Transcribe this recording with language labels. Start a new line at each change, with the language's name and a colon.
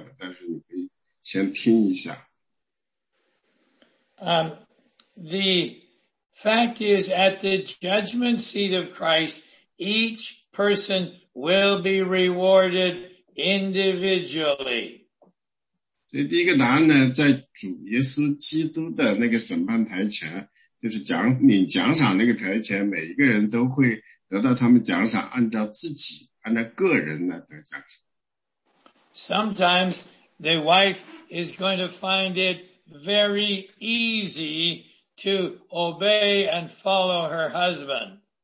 Chinese: 你的不是很确定到底是说他有没有理解到你的问题，但是他会给你一个答案，有可能不是你想要的，但是你可以先听一下。
English: The fact is, at the judgment seat of Christ, each person will be rewarded individually.
Chinese: 这第一个答案呢，在主耶稣基督的那个审判台前，就是奖你奖赏那个台前，每一个人都会得到他们奖赏，按照自己，按照个人的奖赏。
English: Sometimes the wife is going to find it very easy to obey and follow her husband.